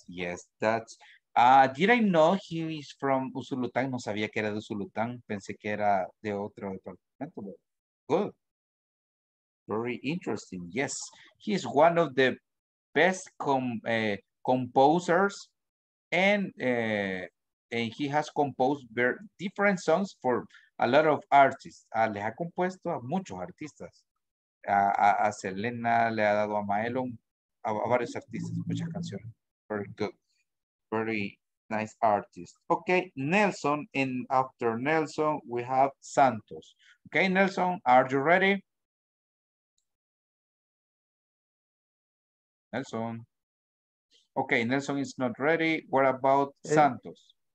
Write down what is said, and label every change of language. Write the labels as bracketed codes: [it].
[en] Yes, that's did I know he is from Usulután? [es] No sabía que era de Usulután, pensé que era de otro departamento. [en] Good. Very interesting. Yes, he is one of the best composers, and he has composed different songs for a lot of artists. [es] Le ha compuesto a muchos artistas. A Selena le ha dado a Maelon, a varios artistas, muchas canciones. [en] Very good. Very nice artist. Okay, Nelson, and after Nelson, we have Santos. Okay, Nelson, are you ready? Nelson. Okay, Nelson is not ready. What about Santos?